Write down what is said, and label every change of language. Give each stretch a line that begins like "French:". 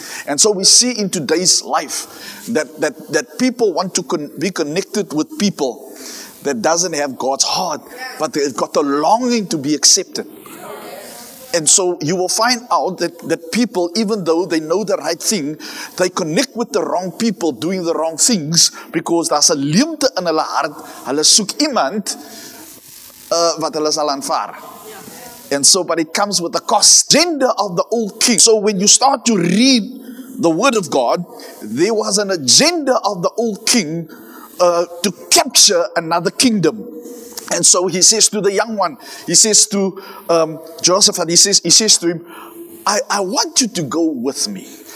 English: And so we see in today's life that people want to be connected with people that doesn't have God's heart, but they've got the longing to be accepted. And so you will find out that people, even though they know the right thing, they connect with the wrong people doing the wrong things, because
Afrikaans: daar's 'n leemte in hulle hart. Hulle soek iemand wat hulle sal aanvaar.
English: And so, but it comes with the cost. Gender of the old king. So when you start to read the word of God, there was an agenda of the old king to capture another kingdom. And so he says to the young one, he says to Joseph, and he says to him, I want you to go with me.